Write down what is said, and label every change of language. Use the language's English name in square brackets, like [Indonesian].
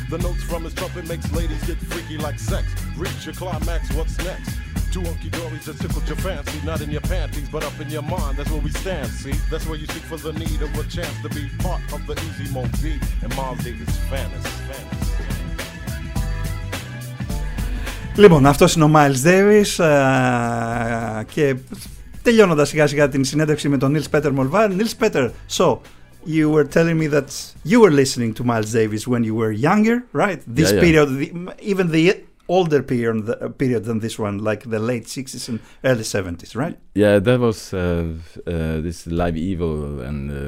[English] The notes from his trumpet makes ladies get freaky like sex. Reach your climax, what's next? Two hunky dories that tickled your fancy. Not in your panties, but up in your mind. That's where we stand, see? That's where you seek for the need of a chance to be part of the Easy Mo V and Miles Davis fantasy. [Greek] Λοιπόν, αυτός είναι ο Miles Davis και τελειώνοντας σιγά σιγά την συνέντευξη με τον Nils Petter Mølvær. [English] Nils Petter, so you were telling me that you were listening to Miles Davis when you were younger, right? This yeah. period, even the older period than this one, like the late 60s and early 70s, right? Yeah, that was this Live Evil and